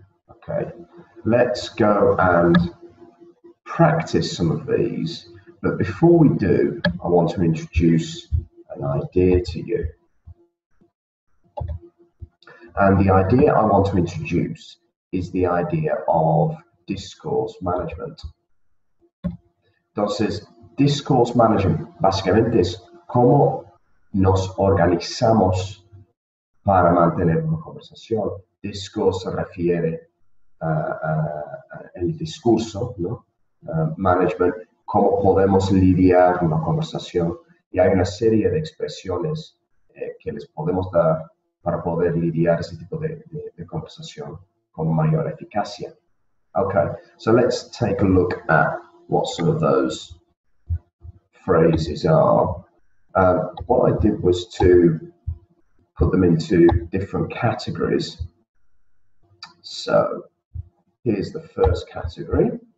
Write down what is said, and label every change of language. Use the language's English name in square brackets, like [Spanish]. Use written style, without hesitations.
[English] Okay, let's go and practice some of these, but before we do, I want to introduce an idea to you. And the idea I want to introduce is the idea of discourse management. [Spanish] Entonces, discourse management, básicamente es cómo nos organizamos para mantener una conversación. Discourse se refiere al discurso, ¿no? Management, cómo podemos lidiar una conversación. Y hay una serie de expresiones que les podemos dar para poder lidiar ese tipo de conversación con mayor eficacia. [English] Okay, so let's take a look at what some of those phrases are. What I did was to put them into different categories. So here's the first category.